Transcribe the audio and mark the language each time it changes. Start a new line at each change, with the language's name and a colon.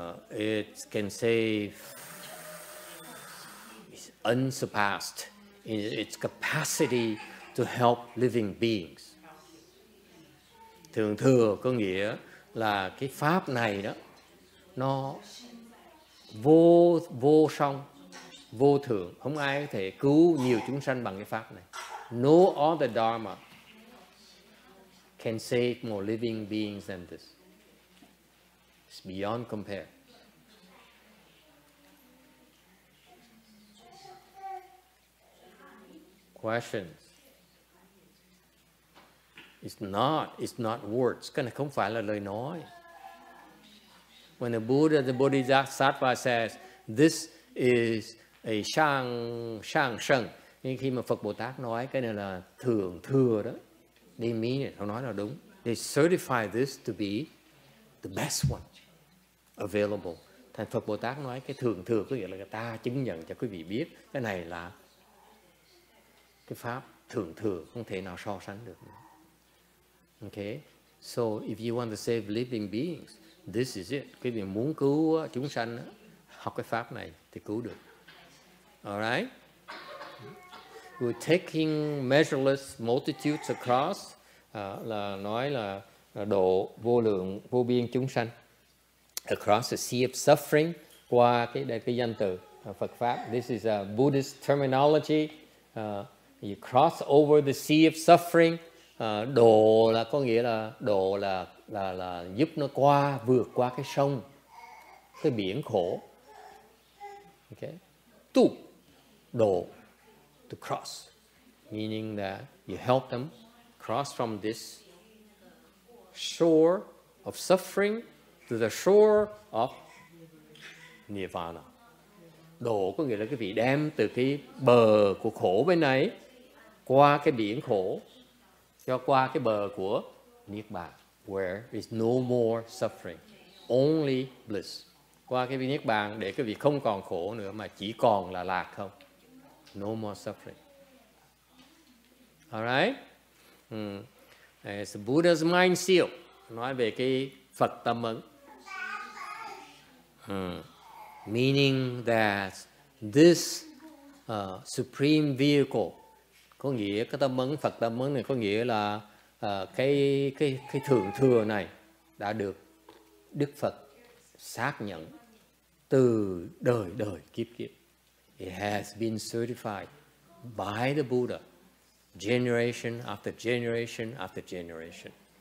English: It can save. It's unsurpassed in its capacity to help living beings.
Vietnamese: Thượng thừa có nghĩa là cái pháp này đó nó vô song, vô thượng, không ai có thể cứu nhiều chúng sanh bằng cái pháp này.
English: No other dharma can save more living beings than this. It's beyond compare. Questions? It's not words.
Vietnamese: Cái này không phải là lời nói.
English: When the Buddha, the Bodhisattva says, this is a shang sheng.
Vietnamese: Nhưng khi mà Phật Bồ Tát nói cái này là thượng thừa đó,
English: they mean it,
Vietnamese: không nói là đúng.
English: They certify this to be the best one available.
Vietnamese: Thành Phật Bồ Tát nói cái thượng thừa có nghĩa là người ta chứng nhận cho quý vị biết cái này là cái pháp thượng thừa, không thể nào so sánh được nữa.
English: Okay, so if you want to save living beings, this is it.
Vietnamese: Quý vị muốn cứu chúng sanh, học cái pháp này thì cứu được.
English: All right. We're taking measureless multitudes across,
Vietnamese: là nói là độ vô lượng vô biên chúng sanh,
English: across the sea of suffering,
Vietnamese: qua cái danh từ Phật pháp.
English: This is a Buddhist terminology. You cross over the sea of suffering.
Vietnamese: Độ là có nghĩa là độ là giúp nó qua, vượt qua cái sông, cái biển khổ.
English: Okay. Tu, độ, to cross, meaning that you help them cross from this shore of suffering to the shore of Nirvana.
Vietnamese: Độ có nghĩa là cái vị đem từ cái bờ của khổ bên này qua cái biển khổ, cho qua cái bờ của Niết Bàn,
English: where is no more suffering, only bliss.
Vietnamese: Qua cái Niết Bàn để cái vị không còn khổ nữa mà chỉ còn là lạc không.
English: No more suffering. All right? It's the Buddha's mind seal.
Vietnamese: nói về cái Phật tâm ấn.
English: Meaning that this supreme vehicle,
Vietnamese: có nghĩa cái tâm ấn, Phật tâm ấn này có nghĩa là cái thượng thừa này đã được Đức Phật xác nhận từ đời đời kiếp kiếp.
English: It has been certified by the Buddha generation after generation after generation.